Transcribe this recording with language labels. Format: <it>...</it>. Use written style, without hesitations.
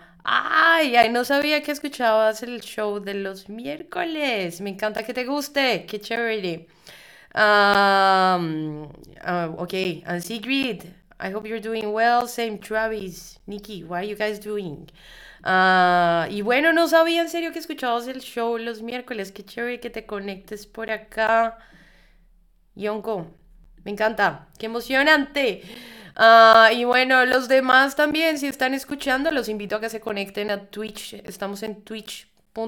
<es>Ay, no sabía que escuchabas el show de los miércoles. Me encanta que te guste. Qué chévere.</es> <en>Okay, and Sigrid, I hope you're doing well. Same, Travis, Nikki, what are you guys doing?</en> <es>Y bueno, no sabía en serio que escuchabas el show los miércoles. Qué chévere que te conectes por acá. Yonko, me encanta, qué emocionante. Y bueno, los demás también, si están escuchando, los invito a que se conecten a Twitch. Estamos en twitch.tv</es>